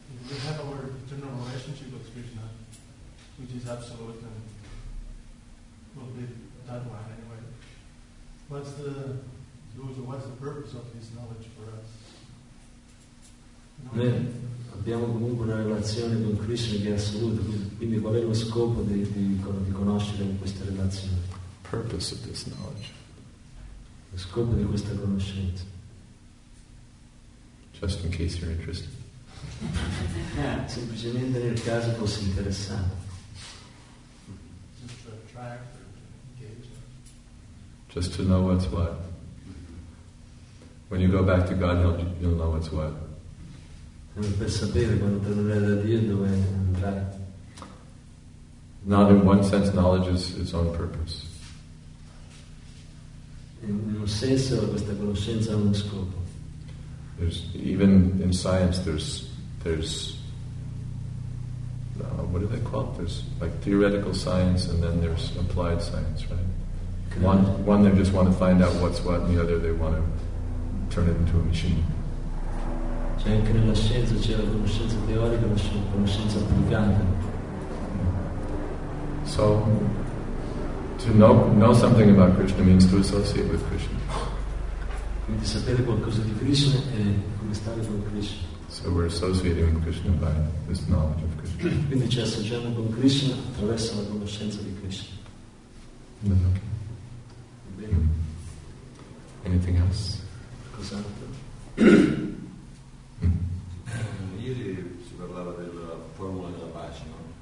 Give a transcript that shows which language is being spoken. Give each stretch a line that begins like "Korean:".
English: We have our eternal relationship with Krishna, which is absolute and will be that one anyway. What's the purpose of this knowledge for us?
Italian: Noi abbiamo comunque una relazione con Krishna che è assoluta, quindi qual è lo scopo di conoscere questa relazione?
English: Purpose of this knowledge.
Italian: Lo scopo di questa conoscenza.
English: Just in case you're interested.
Italian: Semplicemente nel caso fosse interessante.
English: Just to attract or engage. Just to know what's what. When you go back to God, you'll know what's what.
Italian: Per sapere quando tornerai da Dio dove andrai.
English: Not in one sense knowledge is its own purpose.
Italian: In un senso questa conoscenza ha uno scopo.
English: There's even in science there's what do they call it? There's like theoretical science and then there's applied science, right? One they just want to find out what's what, and the other they want to turn it into a machine.
Italian: Cioè anche nella scienza c'è la conoscenza teorica e la conoscenza applicata.
English: So to know something about Krishna means to associate with Krishna.
Italian: Quindi sapere qualcosa di Krishna è come stare con Krishna.
English: So we're associating with Krishna by this knowledge of Krishna.
Italian: Quindi ci associamo con Krishna attraverso la conoscenza di Krishna.
English: Okay. Anything else?
Italian: Cos'altro? Ieri si parlava della formula della pace, no?